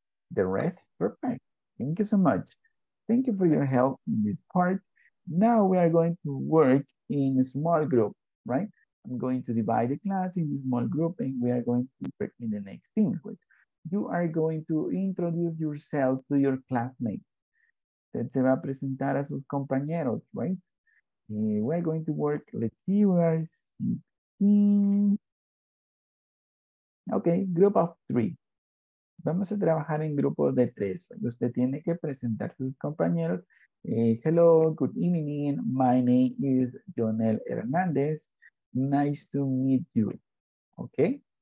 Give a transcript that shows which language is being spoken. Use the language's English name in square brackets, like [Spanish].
[English] the rest, perfect. Thank you so much. Thank you for your help in this part. Now we are going to work in a small group, right? I'm going to divide the class in a small group and we are going to work in the next thing, which you are going to introduce yourself to your classmates. [Spanish] Usted se va a presentar a sus compañeros, right? [English] We're going to work, let's see, we are 16. Okay, group of three. [Spanish] Vamos a trabajar en grupos de tres. Usted tiene que presentar a sus compañeros. [English] Hello, good evening. My name is Jonel Hernandez. Nice to meet you. Okay.